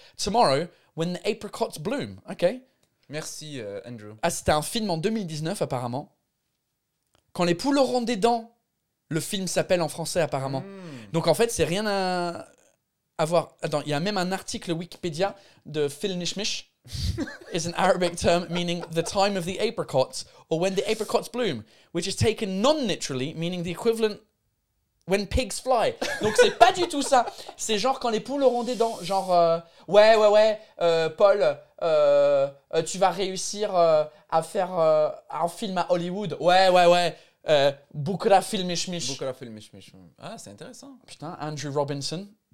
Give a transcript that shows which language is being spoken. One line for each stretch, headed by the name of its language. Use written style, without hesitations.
English: Tomorrow, when the apricots bloom. OK.
French: Merci, Andrew. Ah, c'était un film en 2019, apparemment. Quand les poules auront des dents... Le film s'appelle en français, apparemment. Mmh. Donc, en fait, c'est rien à voir. Attends, il y a même un article Wikipédia de Phil Nishmish.
English: It's an Arabic term meaning the time of the apricots or when the apricots bloom, which is taken non-literally, meaning the equivalent when pigs fly.
French: Donc, c'est pas du tout ça. C'est genre quand les poules auront des dents. Genre, ouais, Paul, tu vas réussir à faire un film à Hollywood.
Arabic: Ouais. Bukra fil mishmish. Bukra fil mishmish.
French: Ah, c'est intéressant. Putain, Andrew Robinson.